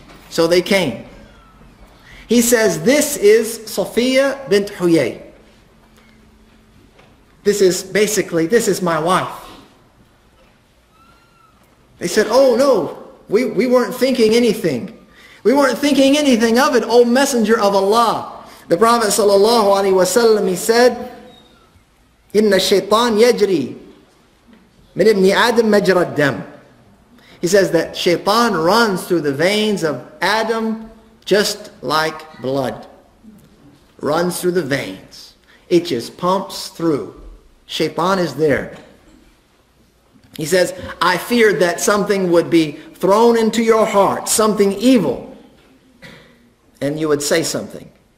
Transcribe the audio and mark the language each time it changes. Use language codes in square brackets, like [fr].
[en] So they came. He says, this is Safiya bint Huyay. This is my wife. They said, oh no, we weren't thinking anything. We weren't thinking anything of it, O Messenger of Allah. The Prophet sallallahu alaihi wasallam, he said, [ar] إِنَّ الشَّيْطَانِ يَجْرِي مِنْ ابْنِ آدَمْ مَجْرَى الدَّمْ. [en] He says that shaitan runs through the veins of Adam just like blood. Runs through the veins. It just pumps through. Shaitan is there. He says, I feared that something would be thrown into your heart, something evil, and you would say something.